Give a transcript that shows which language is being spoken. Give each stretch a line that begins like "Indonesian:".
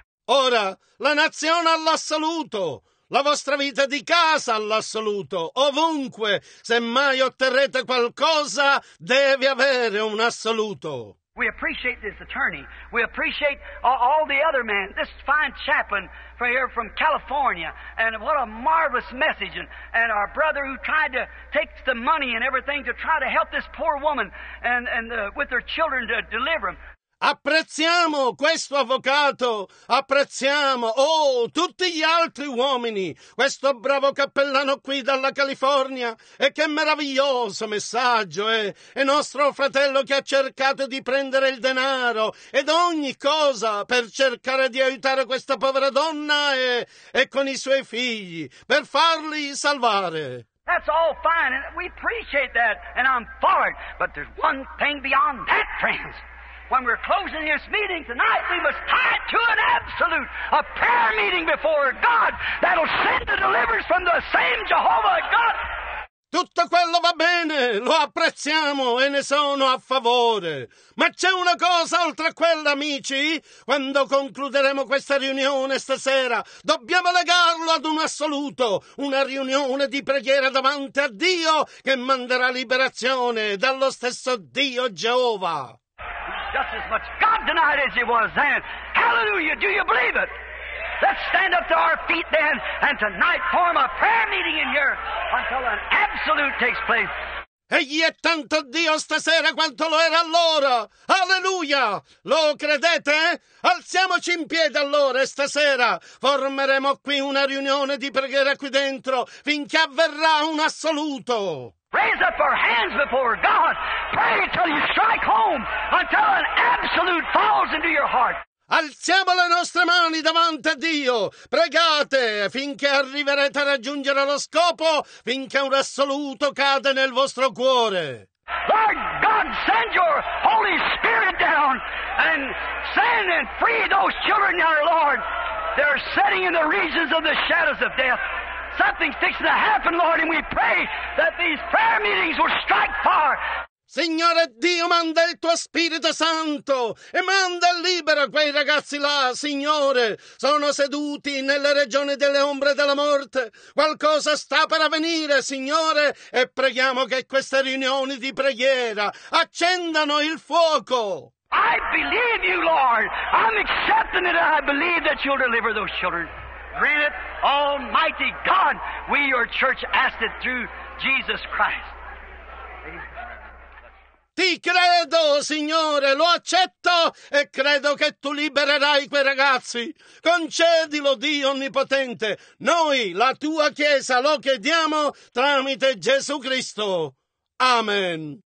Italian: Ora, la nazione all'assoluto, la vostra vita di casa all'assoluto, ovunque, se mai otterrete qualcosa, deve avere un assoluto.
English: We appreciate this attorney. We appreciate all the other men. This fine chaplain from here from California. And what a marvelous message. And our brother who tried to take the money and everything to try to help this poor woman and with her children to deliver them.
Italian: Apprezziamo questo avvocato, apprezziamo, oh, tutti gli altri uomini, questo bravo cappellano qui dalla California, e che meraviglioso messaggio, e nostro fratello che ha cercato di prendere il denaro, ed ogni cosa per cercare di aiutare questa povera donna, e con i suoi figli, per farli salvare.
English: That's all fine, and we appreciate that, and I'm for it, but there's one thing beyond that, friends. When we're closing this meeting tonight, we must tie it to an absolute, a prayer meeting before God that'll send the deliverers from the same Jehovah God.
Italian: Tutto quello va bene, lo apprezziamo e ne sono a favore. Ma c'è una cosa oltre a quella, amici. Quando concluderemo questa riunione stasera, dobbiamo legarlo ad un assoluto, una riunione di preghiera davanti a Dio che manderà liberazione dallo stesso Dio Geova.
English: Just as much God tonight as he was then. Hallelujah! Do you believe it? Let's stand up to our feet then and tonight form a prayer meeting in here until an absolute takes place.
Italian: Egli è tanto Dio stasera quanto lo era allora. Alleluia! Lo credete? Alziamoci in piedi allora e stasera formeremo qui una riunione di preghiera qui dentro finché avverrà un assoluto.
English: Raise up our hands before God. Pray till you strike home, until an absolute falls into your heart.
Italian: Alziamo le nostre mani davanti a Dio. Pregate finché arriverete a raggiungere lo scopo, finché un assoluto cade nel vostro cuore.
English: Lord God, send your Holy Spirit down and send and free those children, our Lord. They're sitting in the regions of the shadows of death. Something fixes to happen, Lord, and we pray that these prayer meetings will strike far.
Italian: Signore Dio, manda il tuo Spirito Santo e manda libera quei ragazzi là, Signore. Sono seduti nelle regioni delle ombre della morte. Qualcosa sta per avvenire, Signore, e preghiamo che queste riunioni di preghiera accendano il fuoco.
English: I believe you, Lord. I'm accepting it. I believe that you'll deliver those children. Grant it, Almighty God, we your church ask it through Jesus Christ.
Italian: Ti credo, Signore, lo accetto e credo che tu libererai quei ragazzi. Concedilo, Dio Onnipotente. Noi, la tua Chiesa, lo chiediamo tramite Gesù Cristo. Amen.